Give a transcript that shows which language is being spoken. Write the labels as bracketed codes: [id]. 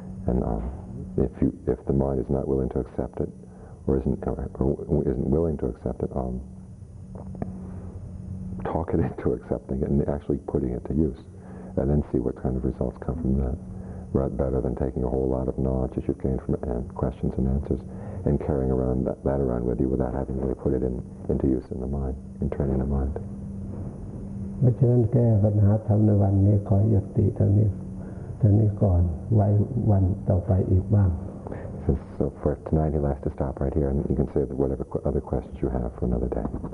[en] And if the mind is not willing to accept it, or isn't willing to accept it, talk it into accepting it and actually putting it to use. and then see what kind of results come from that, right, better than taking a whole lot of knowledge that you've gained from questions and answers and carrying around that around with you without having really put it into use in the mind, in training the mind. [th] เพราะฉะนั้นแก้ปัญหาทำในวันนี้ขอยุติเท่านี้ก่อนไว้วันต่อไปอีกบ้าง [en] So for tonight he'll have to stop right here and you can save whatever other questions you have for another day.